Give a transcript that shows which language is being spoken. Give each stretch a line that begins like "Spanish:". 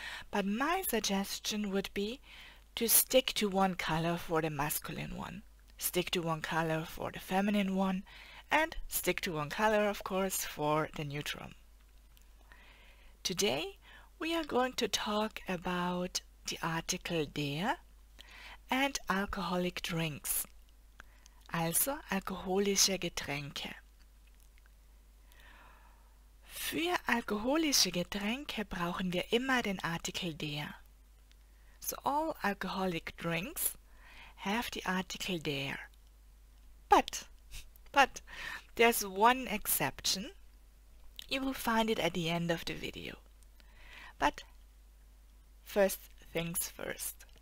English: But my suggestion would be to stick to one color for the masculine one, stick to one color for the feminine one, and stick to one color, of course, for the neutrum. Today, we are going to talk about the article der and alcoholic drinks, also
German: alkoholische Getränke. Für alkoholische Getränke brauchen wir immer den Artikel der.
English: So all alcoholic drinks have the article der. But there's one exception. You will find it at the end of the video. But first things first.